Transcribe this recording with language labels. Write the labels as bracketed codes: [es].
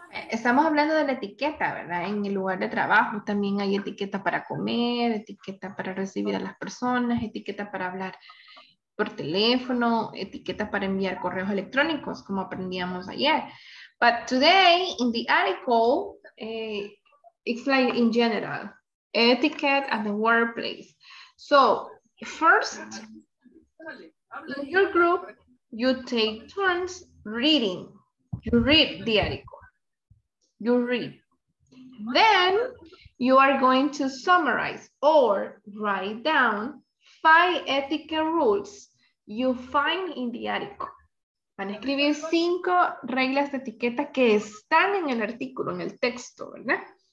[es] Estamos hablando de la etiqueta, ¿verdad? En el lugar de trabajo también hay etiqueta para comer, etiqueta para recibir a las personas, etiqueta para hablar por teléfono, etiqueta para enviar correos electrónicos, como aprendíamos ayer. [en] But today, in the article, it's like in general, etiquette at the workplace. So, first, in your group, you take turns reading. You read the article. You read. Then you are going to summarize or write down 5 etiquette rules you find in the article. [es] Van a escribir 5 reglas de etiqueta que están en el artículo, en el texto, ¿verdad?